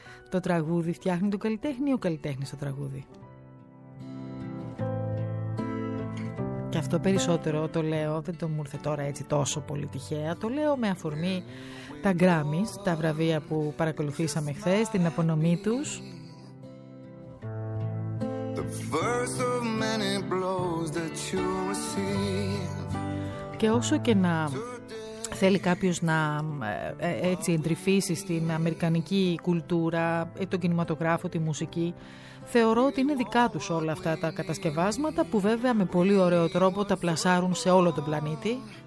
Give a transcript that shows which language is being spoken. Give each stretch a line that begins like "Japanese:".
Greek: Το τραγούδι φτιάχνει τον καλλιτέχνη ή ο καλλιτέχνης το τραγούδι? Και αυτό περισσότερο το λέω, δεν το μου ήρθε τώρα έτσι τόσο πολύ τυχαία. Το λέω με αφορμή τα Grammys, τα βραβεία που παρακολουθήσαμε χθες, την απονομή τους.
English: The first of many blows that you receive.
Greek: Και όσο και να θέλει κάποιος να έτσι εντρυφήσει στην αμερικανική κουλτούρα, τον κινηματογράφο, τη μουσική, θεωρώ ότι είναι δικά τους όλα αυτά τα κατασκευάσματα που βέβαια με πολύ ωραίο τρόπο τα πλασάρουν σε όλο τον πλανήτη.